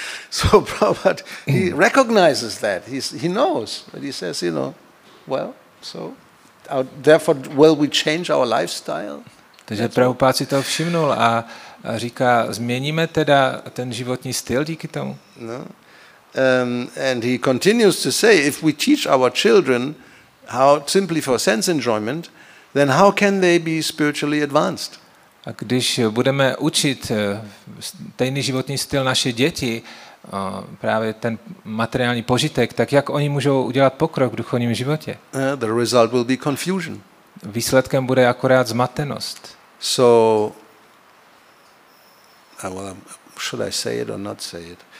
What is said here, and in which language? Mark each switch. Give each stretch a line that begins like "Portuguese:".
English: So Prabhupada, he recognizes that. He knows. But he says, you know, well, so Therefore, will we change our lifestyle?
Czech: Takže Prabhupád si toho všimnul a říká, změníme teda ten životní styl díky tomu?
English: No. And he continues to say, if we teach our children how simply for sense enjoyment, then how can they be spiritually advanced?
Czech: A když budeme učit stejný životní styl naše děti, právě ten materiální požitek, tak jak oni můžou udělat pokrok v duchovním životě?
English: The result will be confusion.
Czech: Výsledkem bude akorát zmatenost.
English: So, well, should I say it or not say it?